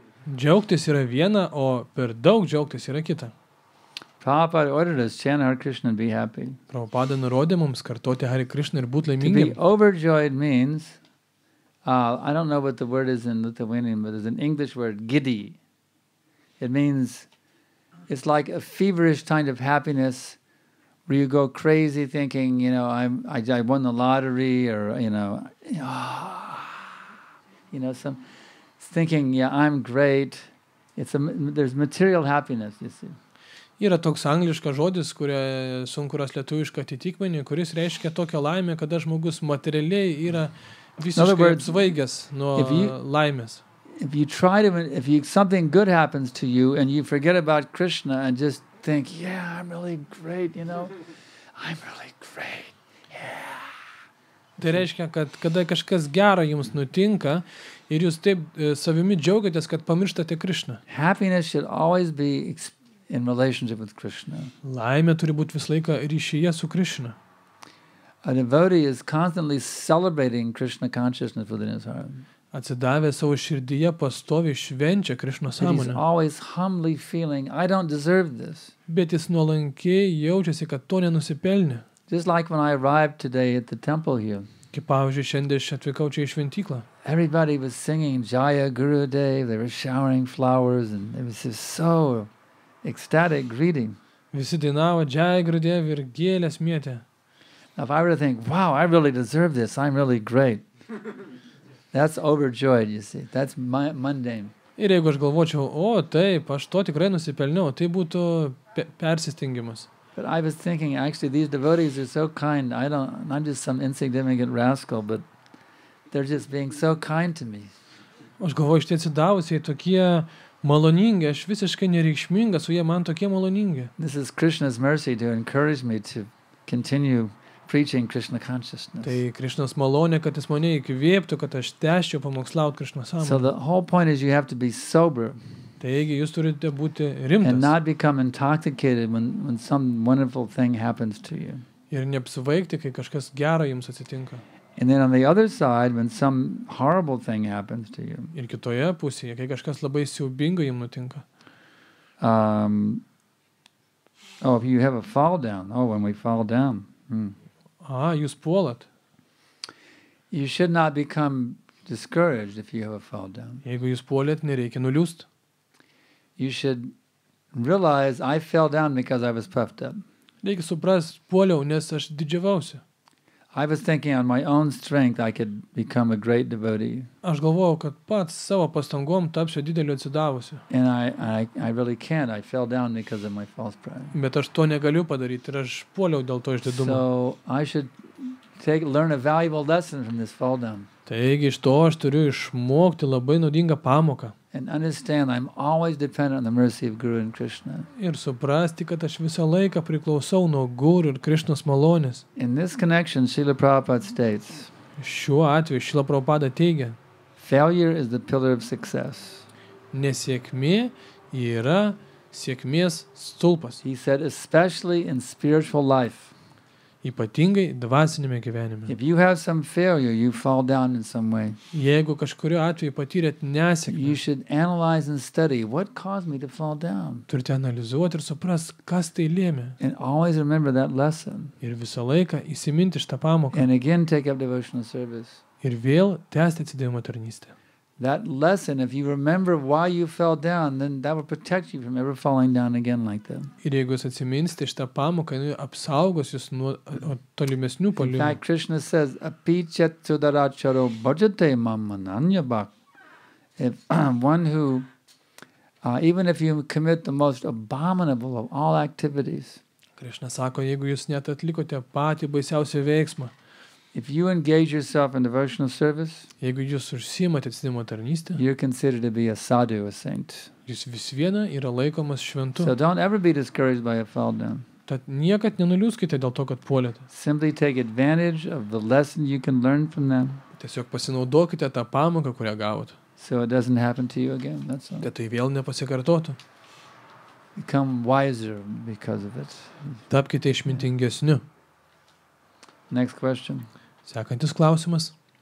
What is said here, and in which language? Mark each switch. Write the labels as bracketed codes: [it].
[lt] Džiaugtis yra viena, o per daug džiaugtis yra kita. [en] Prabhupada ordered us chant Hare Krishna and be happy. [lt] Prabhupada nurodė mums kartoti Hare Krishna ir būt laimingi. [en] To be overjoyed means, I don't know what the word is in Lithuanian, but there's an English word, giddy. It means, it's like a feverish kind of happiness where you go crazy thinking, you know, I won the lottery or, you know, some thinking, yeah, I'm great. There's material happiness, you see. [lt] Yra toks angliškas žodis, sunkuras lietuvišką atitikmenį, kuris reiškia tokią laimę, kada žmogus materialiai yra visiškai apsvaigęs nuo laimės. [en] If you try to, if you, something good happens to you and you forget about Krishna and just think, yeah, I'm really great, you know, I'm really great, yeah. [lt] Tai reiškia, kad kada kažkas gero jums nutinka ir jūs taip savimi džiaugiatės, kad pamirštate Krishna. [en] Happiness should always be in relationship with Krishna. [lt] Laimė turi būti visą laiką ryšyje su Krishna. [en] A devotee is constantly celebrating Krishna consciousness within his heart. [lt] Atsidavę savo širdyje pastovi švenčia Krishna sąmonę. [en] He's always humbly feeling, I don't deserve this. [lt] Bet jis nuolankiai jaučiasi, kad to nenusipelnė. [en] Just like when I arrived today at the temple here. [lt] Kaip pavyzdžiui, šiandien aš atvykau čia į šventyklą. [en] Everybody was singing Jaya Guru Day, they were showering flowers and it was just so ecstatic greeting. [lt] Visi dainavo Jaya Guru Dev ir gėlės mietė. [en] Now if I were to think, wow, I really deserve this, I'm really great. That's overjoyed, you see. That's mundane. [lt] Ir jeigu aš galvočiau, o taip, aš to tikrai nusipelniau, tai būtų persistingimas. [en] But I was thinking, actually, these devotees are so kind. I'm just some insignificant rascal, but they're just being so kind to me. [lt] Aš galvoju, štai atsidavusiai tokie maloningi, aš visiškai nereikšminga, su jie man tokie maloningi. [en] This is Krishna's mercy to encourage me to continue preaching Krishna consciousness. [lt] Tai Krishna's malonė, kad jis mane įkvėptų, kad aš tęsčiau pamokslaut Krishna sąmonę. [en] So the whole point is you have to be sober. [lt] Taigi jūs turite būti rimtas. [en] And not become intoxicated when some wonderful thing happens to you. [lt] Ir neapsvaigti, kai kažkas gero jums atsitinka. [en] And then on the other side when some horrible thing happens to you. [lt] Ir kitoje pusėje, kai kažkas labai siaubingo jums nutinka. [en] If you have a fall down, when we fall down. [lt] Jūs puolat. [en] You should not become discouraged if you have a fall down. [lt] Jeigu jūs puolėt, nereikia nuliūst. [en] You should realize I fell down because I was puffed up. [lt] Reikia suprast, puoliau, nes aš didžiavausi. [en] I was thinking on my own strength I could become a great devotee. [lt] Aš galvojau, kad pats savo pastangom tapsiu dideliu atsidavusiu. [en] And I really can't. I fell down because of my false pride. [lt] Bet aš to negaliu padaryti ir aš puoliau dėl to išdidumo. [en] So I should learn a valuable lesson from this fall down. [lt] Taigi iš to aš turiu išmokti labai naudingą pamoką. [en] And understand I'm always dependent on the mercy of Guru and Krishna. [lt] Ir suprasti, kad aš visą laiką priklausau nuo Guru ir Krishnos malonės. [en] In this connection, Srila Prabhupada states. [lt] Šiuo atveju Srila Prabhupada teigia. [en] Failure is the pillar of success. [lt] Nesėkmė yra sėkmės stulpas. [en] He said especially in spiritual life. [lt] Ypatingai dvasiniame gyvenime. [en] If you have some failure, you fall down in some way. [lt] Jeigu kažkuriu atveju patyrėt nesėkmę, [en] you should analyze and study what caused me to fall down. [lt] Turite analizuoti ir suprast, kas tai lėmė. [en] And always remember that lesson. [lt] Ir visą laiką įsiminti šitą pamoką. [en] And again take up devotional service. [lt] Ir vėl tęsti atsidavimo tarnystę. [en] That lesson, if you remember why you fell down, then that will protect you from ever falling down again like that. [lt] Ir jeigu jūs atsiminsite šitą pamoką, jis apsaugos jūs nuo tolimesnių palyginimų. [en] In fact, Krishna says, [sa] apichat sudaracharo bhajate mamananyabhak. [en] If one who, even if you commit the most abominable of all activities, [lt] Krishna sako, jeigu jūs net atlikote patį baisiausią veiksmą, [en] if you engage yourself in devotional service, [lt] jeigu jūs užsiimate atsidavimo tarnystę, [en] you're considered to be a sadhu, a saint. [lt] Jūs vis viena yra laikomas šventu. [en] So don't ever be discouraged by a fall down. [lt] Tad niekad nenuliūskite dėl to, kad puolėte. [en] Simply take advantage of the lesson you can learn from them. [lt] Tiesiog pasinaudokite tą pamoką, kurią gavot. [en] So it doesn't happen to you again. That's all. [lt] Kad tai vėl nepasikartotų. [en] Become wiser because of it. [lt] Tapkite išmintingesniu. [en] Next question. [lt] Sekantis klausimas.